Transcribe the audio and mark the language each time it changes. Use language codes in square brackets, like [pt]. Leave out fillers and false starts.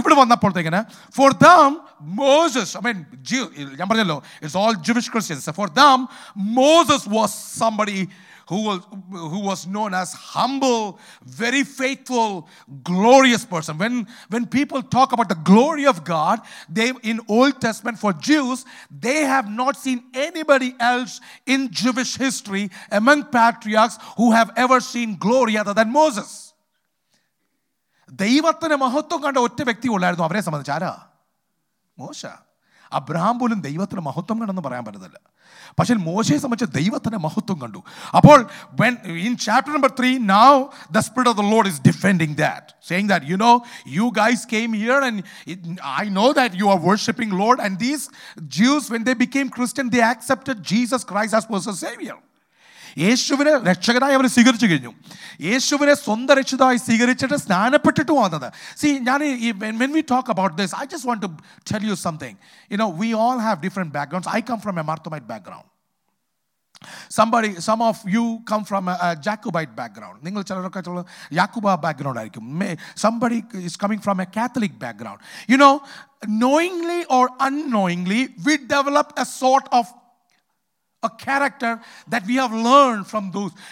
[ml] Ivadu vannappol thengana, [en] for them Moses, I mean Jew, it's all Jewish Christians, so for them Moses was somebody who was known as humble, very faithful, glorious person. When people talk about the glory of God, they in Old Testament for Jews, they have not seen anybody else in Jewish history among patriarchs who have ever seen glory other than Moses. [ml] ദൈവത്തിന് മഹത്വം കണ്ട ഒറ്റ വ്യക്തി ഉണ്ടായിരുന്നു അവരെ സംബന്ധിച്ച്, ആരാ? മോശ. അബ്രഹാം പോലും ദൈവത്തിന് മഹത്വം കണ്ടെന്ന് പറയാൻ പറ്റത്തില്ല. പക്ഷെ മോശയെ സംബന്ധിച്ച് ദൈവത്തിന്റെ മഹത്വം കണ്ടു. അപ്പോൾ [en] In chapter number 3, now the spirit of the Lord is defending that, saying that you know you guys came here and I know that you are worshipping Lord and these Jews when they became Christian they accepted Jesus Christ as personal saviour. [ml] യേശുവിനെ രക്ഷകനായി അവർ സ്വീകരിച്ചു കഴിഞ്ഞു. യേശുവിനെ സ്വന്തം രക്ഷിതായി സ്വീകരിച്ചിട്ട് സ്നാനപ്പെട്ടിട്ടു വന്നത്. [en] see, [ml] ഞാൻ [en] When we talk about this, I just want to tell you something you know we all have different backgrounds. I come from a Marthomite background. Some of you come from a Jacobite background. [ml] നിങ്ങൾ ചിലരൊക്കെ ചില യാക്കൂബ background ആയിരിക്കും. [en] Somebody is coming from a Catholic background. You know, knowingly or unknowingly, we develop a sort of a character that we have learned from those.